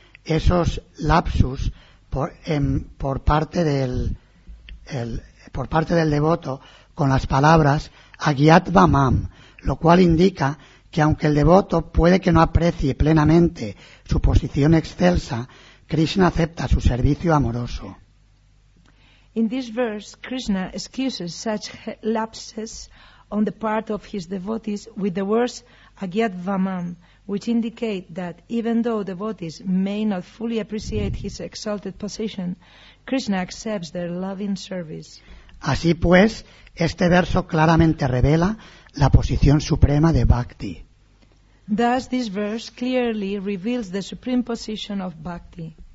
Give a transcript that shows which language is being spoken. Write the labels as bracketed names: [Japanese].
[Spanish] esos lapsus por parte del devoto con las palabras Agyat Vamam, lo cual indica que aunque el devoto puede que no aprecie plenamente su posición excelsa, Krishna acepta su servicio amoroso. [English] In this verse, Krishna excuses such lapses on the part of his devotees with the words Agyat Vamam, which indicate that even though devotees may not fully appreciate his exalted position, Krishna accepts their loving service. [Spanish] Así pues, este verso claramente revela la posición suprema de Bhakti. [English] Thus, this verse clearly reveals the supreme position of Bhakti.